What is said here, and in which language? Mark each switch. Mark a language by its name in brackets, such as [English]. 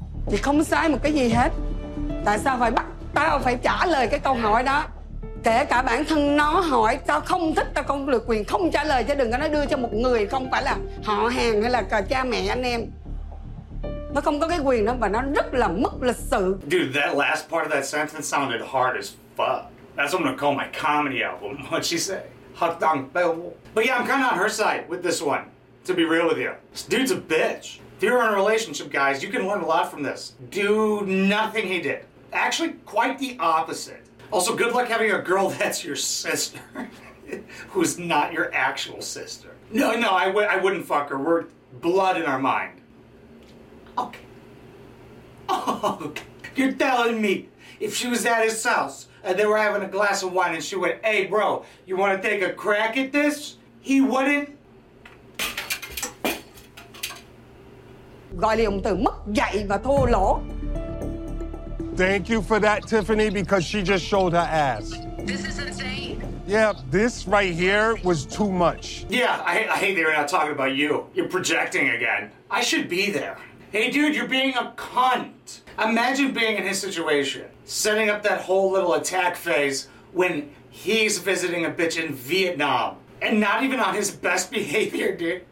[Vietnamese] Chị không sai một cái gì hết. Tại sao phải bắt tao phải trả lời cái câu hỏi đó? Kể cả bản thân nó hỏi, tao không thích, tao không được quyền không trả lời, chứ đừng có nói đưa cho một người không phải là họ hàng hay là cha mẹ anh em. Nó không có cái quyền đó và nó rất là mất lịch sự. [English] Dude, that last part of that sentence sounded hard as fuck. That's what I'm gonna call my comedy album. What'd she say? Hak dang bell. But yeah, I'm kinda on her side with this one, to be real with you. This dude's a bitch. If you're in a relationship, guys, you can learn a lot from this. Do nothing he did. Actually, quite the opposite. Also, good luck having a girl that's your sister, who's not your actual sister. No, no, I wouldn't fuck her. We're blood in our mind. Okay. Okay. You're telling me if she was at his house and they were having a glass of wine and she went, hey, bro, you want to take a crack at this? He wouldn't? [Vietnamese] Gọi liền từ mất dạy và thô lỗ. [English] Thank you for that, Tiffany, because she just showed her ass. This is insane. Yeah, this right here was too much. Yeah, I hate they were not talking about you. You're projecting again. I should be there. Hey, dude, you're being a cunt. Imagine being in his situation, setting up that whole little attack phase when he's visiting a bitch in Vietnam and not even on his best behavior, dude.